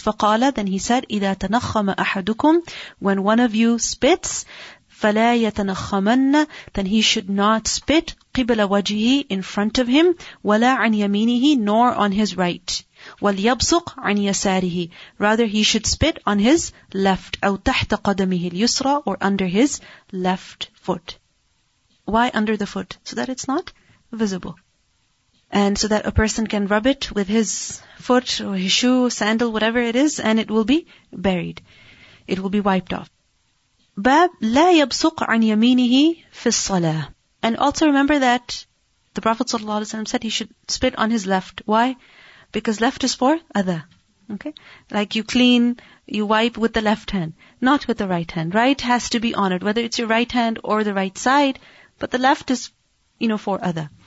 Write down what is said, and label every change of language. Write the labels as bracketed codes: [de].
[ar] فَقَالَ, [en] then he said, [ar] إِذَا تَنَخَّمَ أَحَدُكُمْ, [en] when one of you spits, [ar] فَلَا يَتَنَخَّمَنَّ, [en] then he should not spit, [ar] قِبْلَ وَجْهِهِ, [en] in front of him, [ar] وَلَا عَنْ يَمِينِهِ, [en] nor on his right, [ar] وَلْيَبْسُقْ عَنْ يَسَارِهِ, [en] rather he should spit on his left, [ar] أَوْ تَحْتَ قَدَمِهِ الْيُسْرَى, [en] or under his left foot. Why under the foot? So that it's not visible. And so that a person can rub it with his foot or his shoe, sandal, whatever it is, and it will be buried. It will be wiped off. [ar] باب لا يبصق عن يمينه في الصلاة. [en] And also remember that The Prophet ﷺ said he should spit on his left. Why? Because left is for adha. Okay? Like you clean, you wipe with the left hand, not with the right hand. Right has to be honored, whether it's your right hand or the right side, but the left is, you know, for adha.